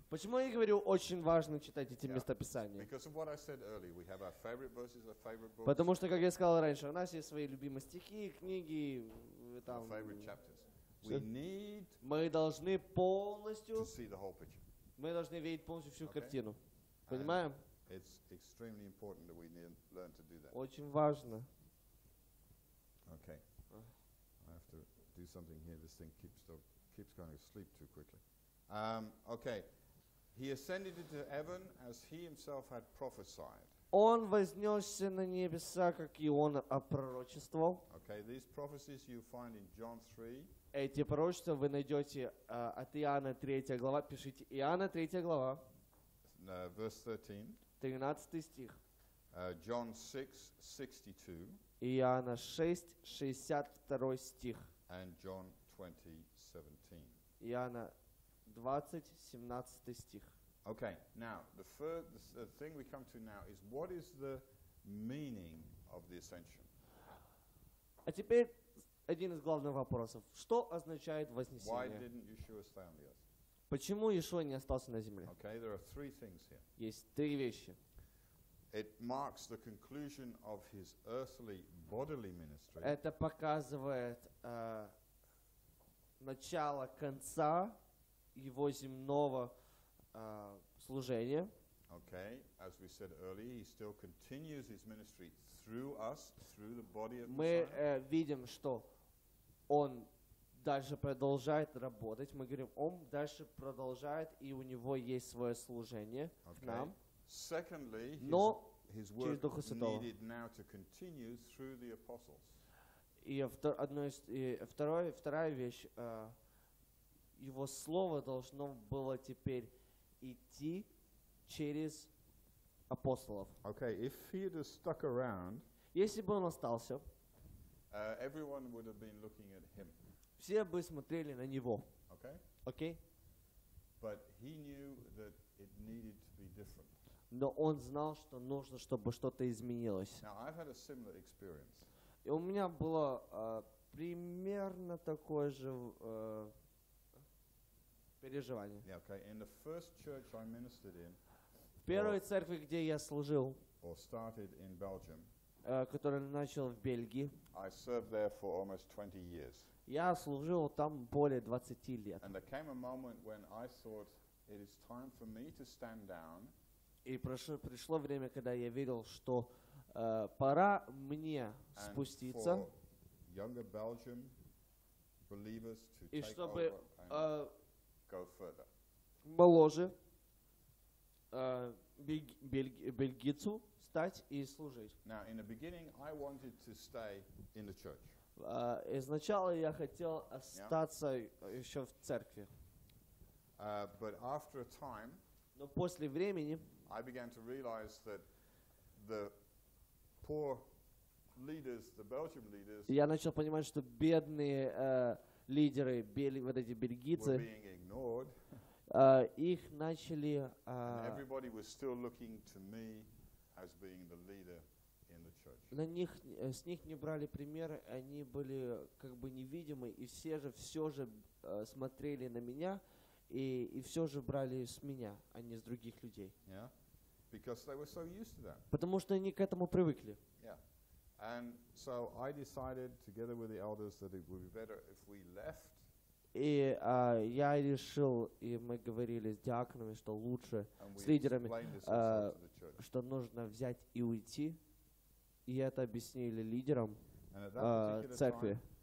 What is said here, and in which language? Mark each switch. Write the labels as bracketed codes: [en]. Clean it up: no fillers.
[ru] Почему я говорю, очень важно читать эти местописания? [en] Because of what I said earlier, we have our favorite verses, our favorite books. [ru] Потому что, как я сказал раньше, у нас есть свои любимые стихи, книги, там. [en] Our favorite chapters. We need. [ru] Мы должны полностью. [en] To see the whole picture. [ru] Мы должны видеть полностью всю картину. Понимаем? [en] It's extremely important that we need learn to do that. [ru] Очень важно. [en] Okay. I have to do something here. This thing keeps going to sleep too quickly. Okay. He ascended into heaven as he himself had prophesied. [ru] Он вознесся на небеса, как и он опророчествовал. [en] Okay, these prophecies you find in John 3. [ru] Эти пророчества вы найдете от Иоанна 3 глава. Пишите Иоанна 3 глава. [en] Verse 13. [ru] 13 стих. [en] John 6:62. [ru] Иоанна 6:62 стих. [en] And John 20:17. [ru] Иоанна 20:17 стих. [en] Okay. Now, the thing we come to now is what is the meaning of the ascension? [ru] А теперь один из главных вопросов. Что означает вознесение? [en] Why didn't Yeshua stay on the earth? [ru] Почему Иешуа не остался на земле? [en] Okay, there are three things here. [ru] Есть три вещи. [en] It marks the conclusion of his earthly bodily ministry. [ru] Это показывает начало конца его земного служения. [en] Okay, as we said earlier, he still continues his ministry through us, through the body of Messiah. [ru] Мы видим, что он дальше продолжает работать. Мы говорим, он дальше продолжает, и у него есть свое служение к нам. [en] Secondly, [ru] но [en] his work needed now to continue through the apostles. [ru] Вторая вещь, его слово должно было теперь идти через апостолов. [en] Okay, if he had stuck around, [ru] если бы он остался, [en] everyone would have been looking at him. [ru] Все бы смотрели на него. [en] Okay? But he knew that it needed to be different. [ru] Но он знал, что нужно, чтобы что-то изменилось. [en] Now, I've had a similar experience. [ru] И у меня было примерно такое же переживание. [en] Yeah, okay. In the first church I ministered in, [ru] в первой церкви, где я служил, [en] or started in Belgium, [ru] который начал в Бельгии, [en] I served there for almost 20 years. [ru] Я служил там более 20 лет. [en] And there came a moment when I thought it is time for me to stand down. [ru] И пришло время, когда я видел, что пора мне спуститься. [en] And for younger Belgian believers to take [ru] чтобы, [en] over and go further. [ru] Моложе бельгийцу стать и служить. [en] Now, in the beginning, I wanted to stay in the church. [ru] Изначально я хотел остаться еще в церкви. [en] But after a time, [ru] но после времени [en] I began to realize that the poor leaders, the Belgian leaders, [ru] я начал понимать, что бедные лидеры, вот эти бельгийцы, [en] were being ignored. [ru] Их начали [en] and everybody was still looking to me as being the leader. [ru] На них, с них не брали примеры, они были как бы невидимы, и все же смотрели на меня, и все же брали с меня, а не с других людей. [en] Yeah. Because they were so used to that. [ru] Потому что они к этому привыкли. [en] Yeah. And so I decided, together with the elders, that it would be better if we left. [ru] И я решил, и мы говорили с диаконами, что лучше, с лидерами, что нужно взять и уйти. И это объяснили лидерам церкви.